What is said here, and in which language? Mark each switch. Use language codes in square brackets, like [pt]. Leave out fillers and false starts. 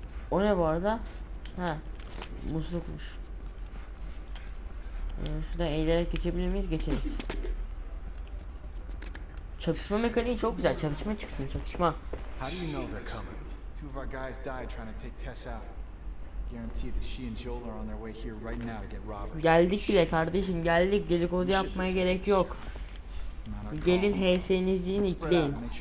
[tr] O ne bu arada? Ha, muslukmuş. Şurada eğilerek geçebilir miyiz? Geçeriz. Çatışma mekaniği çok güzel. Çatışma çıksın, çatışma. [en] How do you know they're coming? Two of our guys died trying to take Tess out. Guarantee that she and Joel are on their way here right now to get Robert. [tr] Geldik bile kardeşim, geldik. Dedikodu yapmaya gerek yok. Gelin HS'nizi ikleyin.